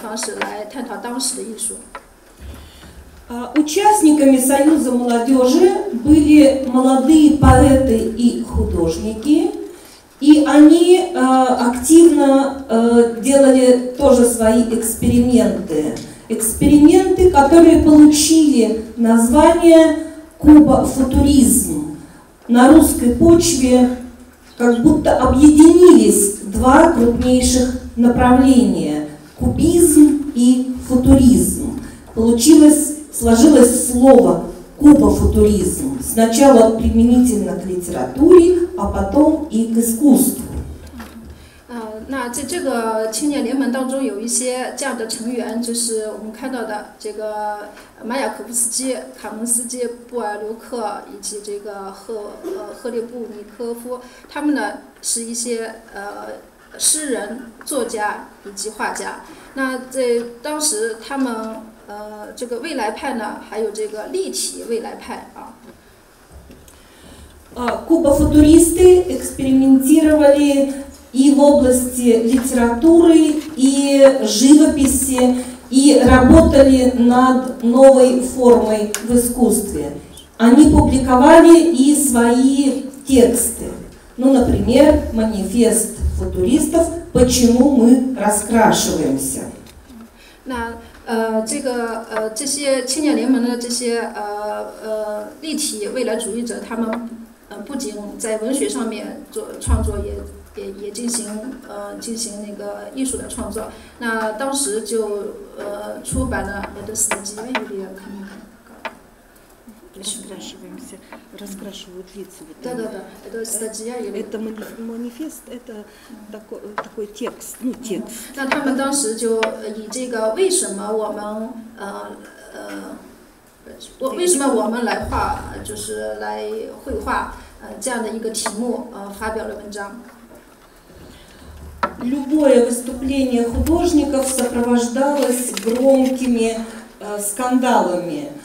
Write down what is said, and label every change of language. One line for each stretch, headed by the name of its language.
Chinese: 1909年的时候，在就是先锋派的艺术，可以说对俄罗斯当时的青年画家产生了非常大的影响。他们在1909年的时候创立了青年联盟，这个联盟呢是专门通过讨论的方式来辩论的方式来探讨当时的艺术。
Russian: Участниками Союза молодежи были молодые поэты и художники, и они активно делали тоже свои эксперименты. Эксперименты, которые получили название «Кубофутуризм». На русской почве как будто объединились два крупнейших направления – кубизм и футуризм. Сложилось слово «кубофутуризм» сначала применительно к литературе, а потом и к искусству.
Chinese: 那在这个青年联盟当中有一些这样的成员，就是我们看到的这个马雅可夫斯基、卡门斯基、布尔留克以及这个赫列布尼科夫，他们呢是一些诗人、作家以及画家。那在当时他们。这个未来派呢，还有这个立体未来派啊。
Russian: Кубофутуристы экспериментировали и в области литературы, и живописи, и работали над новой формой в искусстве. Они публиковали и свои тексты. Ну, например, манифест футуристов «Почему мы раскрашиваемся?».
Chinese: 那这个这些青年联盟的这些立体未来主义者，他们不仅在文学上面做创作，也进行那个艺术的创作。那当时就出版了《我的死机》，有点可能。
Russian: раскрашиваемся, раскрашивают лица. Вот да, это статья. Это манифест, это такой текст, ну текст. Да, там мы тогда же и это, почему мы,
Chinese: 为什么我们来画，就是来绘画，这样的一个题目，发表了文章。
Russian: Любое выступление художников сопровождалось громкими скандалами.